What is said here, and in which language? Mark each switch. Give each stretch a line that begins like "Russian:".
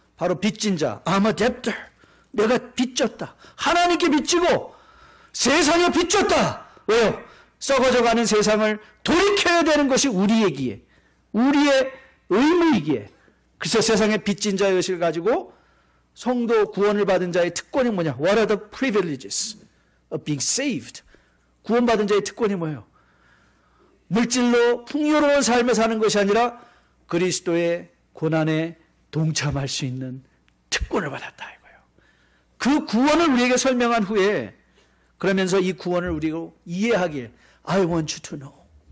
Korean: 바로 빚진 자.
English: I'm a debtor.
Korean: 내가 빚졌다. 하나님께 빚지고 세상에 빚졌다. 왜요? 썩어져가는 세상을 돌이켜야 되는 것이 우리에게 우리의 의무이기에 그래서 세상에 빚진 자의 의식을 가지고 성도 구원을 받은 자의 특권이 뭐냐?
English: What are the privileges of being saved?
Korean: 구원받은 자의 특권이 뭐예요? 물질로 풍요로운 삶을 사는 것이 아니라 그리스도의 고난에 동참할 수 있는 특권을 받았다 이거예요. 그 구원을 우리에게 설명한 후에 그러면서 이 구원을 우리가 이해하길
English: I want you to know.